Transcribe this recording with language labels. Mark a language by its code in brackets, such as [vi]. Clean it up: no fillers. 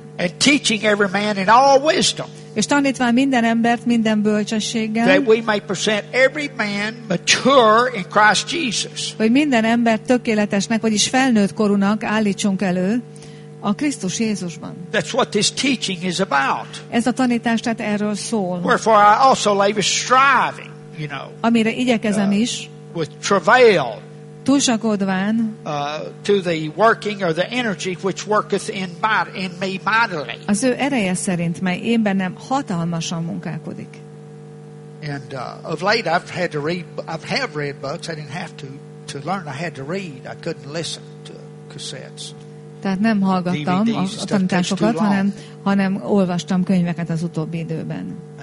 [en] And teaching every man in all wisdom. [hu] És tanítván minden embert minden bölcsességgel. [en] That we may present every man mature in Christ Jesus. [hu] Hogy minden embert tökéletesnek, vagyis felnőtt korúnak állítsunk elő a Krisztus Jézusban. [en] That's what this teaching is about. [hu] Ez a tanítás tehát erről szól. [en] Wherefore I also labor striving, you know. [hu] Amire igyekezem is. [en] With travail. [hu] Túlsakodván. [en] To the working or the energy which worketh in me mightily. [hu] Az ő ereje szerint, mely én bennem hatalmasan munkálkodik. [en] And of late I've had to read, I have read books, I didn't have to learn, I had to read, I couldn't listen to cassettes. [hu] Tehát nem hallgattam [en] DVDs, [hu] a tanításokat, hanem olvastam könyveket az utóbbi időben.